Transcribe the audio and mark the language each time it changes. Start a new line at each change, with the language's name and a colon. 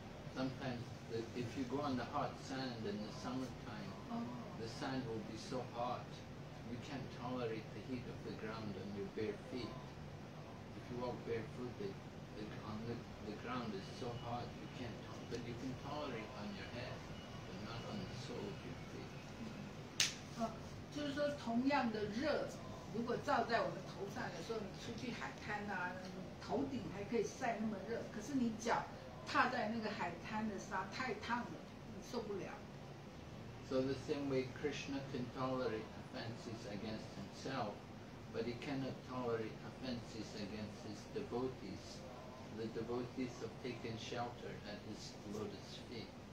English: Sometimes, if you go on the hot sand in the summertime, the sand will be so hot, you can't tolerate the heat of the ground on your bare feet. If you walk barefoot, the ground is so hot, you can't tolerate, but you can tolerate on your head, but not on the sole of your feet.
Chinese: 就是说同样的热如果照在我们头上，有时候你出去海滩啊，头顶还可以晒那么热，可是你脚踏在那个海滩的沙太烫了，你受不了。
English: So the same way Krishna can tolerate offenses against himself, but he cannot tolerate offenses against his devotees. The devotees have taken shelter at his lotus feet.